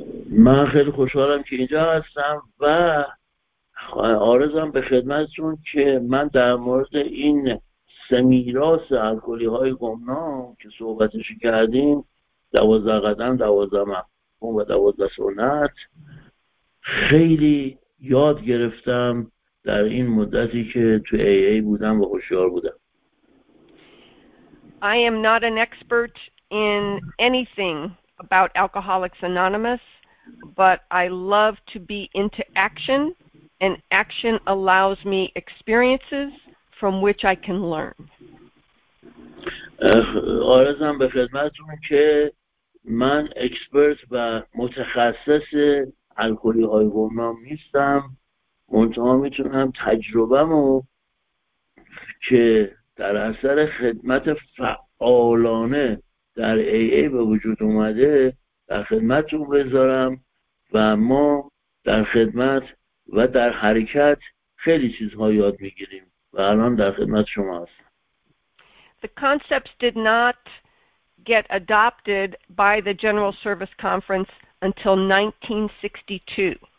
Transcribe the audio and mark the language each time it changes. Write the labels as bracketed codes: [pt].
[fa] من خیلی خوشحالم که اینجا هستم و آرزم به خدمتتون که من در مورد این سمیراث الکلی های گمنام که صحبتش کردیم 12 قدم، 12 مفهوم و 12 سنت خیلی یاد گرفتم در این مدتی که تو AA بودم و هوشیار بودم. [en] I am not an expert in anything about Alcoholics Anonymous, but I love to be into action, and action allows me experiences from which I can learn. [fa] آرزم به خدمتتون که من اکسپرت و متخصص الکلی های گمنام نیستم، منتها میتونم تجربه‌مو که در اثر خدمت فعالانه در AA به وجود اومده در خدمتتون بذارم و ما در خدمت و در حرکت خیلی چیزها یاد میگیریم و الان در خدمت شما هستم. [en] The concepts did not get adopted by the General Service Conference until 1962.